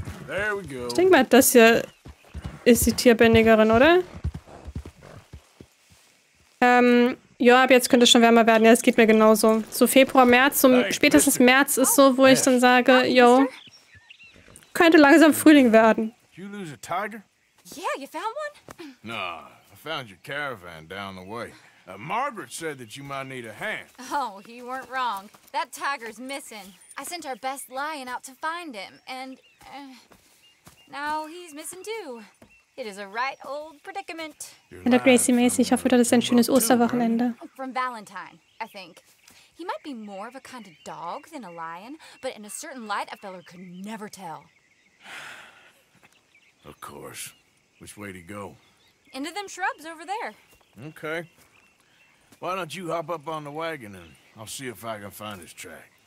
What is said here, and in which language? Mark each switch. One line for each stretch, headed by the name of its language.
German: Ich denke mal, das hier ist die Tierbändigerin, oder? Ja, ab jetzt könnte es schon wärmer werden. Ja, es geht mir genauso. So Februar, März, so spätestens März ist so, wo ich dann sage, yo, könnte langsam Frühling werden.
English: Did you lose a tiger? Yeah, you found one? No, I found your caravan down the way. Margaret said that you might need a hand. Oh, you weren't wrong. That tiger's missing. I sent our best lion out to find him, and now he's missing too. It is a right old predicament.
German: Und der Gracie Macy, ich hoffe, du hattest ein schönes Osterwochenende.
English: From Valentine, I think. He might be more of a kind of dog than a lion, but in a certain light, a feller could never tell. Of course. Which way to go? Into them shrubs over there. Okay. Why don't you hop up on the wagon and I'll see if I can find his track.